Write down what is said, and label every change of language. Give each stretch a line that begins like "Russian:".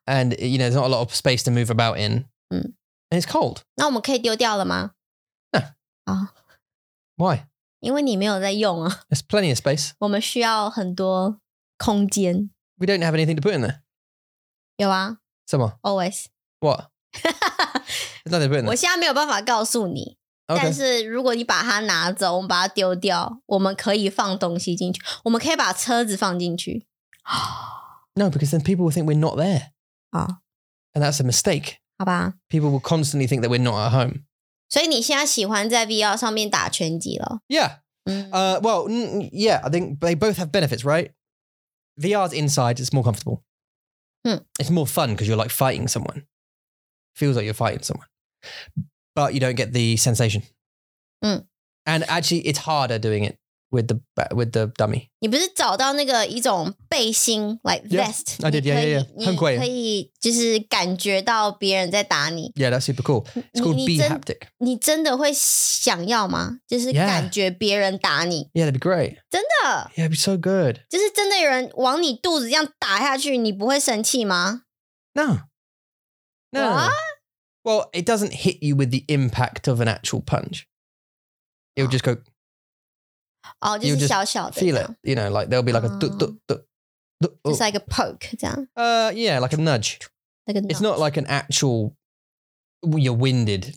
English: And, you know, there's not a lot of space to move about in. And it's cold.
Chinese: 那我们可以丢掉了吗?
English: No. Oh. Why?
Chinese: 因为你没有在用啊。
English: There's plenty of space.
Chinese: 我们需要很多空间。
English: We don't have anything to put in there.
Chinese: 有啊。什么?
English: Always. What? There's nothing to put in there.
Chinese: 我现在没有办法告诉你。
English: Okay.
Chinese: 但是如果你把它拿走,我们把它丢掉,我们可以放东西进去。我们可以把车子放进去。
English: No, because then people will think we're not there. Oh. And that's a mistake.
Chinese: 好吧。
English: People will constantly think that we're not at home.
Chinese: 所以你现在喜欢在 VR 上面打拳击了。
English: Yeah. Well, yeah, I think they both have benefits, right? VR's inside, it's more comfortable. It's more fun because you're like fighting someone. Feels like you're fighting someone. But you don't get the sensation. And actually, it's harder doing it. With the dummy.
Chinese: 你不是找到那个一种背心
English: like vest? Yeah, I did, yeah.
Chinese: 很贵。你可以就是感觉到别人在打你。
English: Yeah, that's super cool. It's called B-haptic.
Chinese: 你真的会想要吗?就是感觉别人打你。
English: Yeah, that'd be great.
Chinese: 真的。
English: Yeah, it'd be so good. 就是真的有人往你肚子这样打下去,你不会生气吗? No. No. Well, it doesn't hit you with the impact of an actual punch. It'll just go...
Chinese: 哦、oh, ，就是小小的
English: ，feel it, you know, like there'll be like a do do do do, just like a poke, 这样。 Yeah, like a nudge. Like a nudge. It's not like an actual you're winded、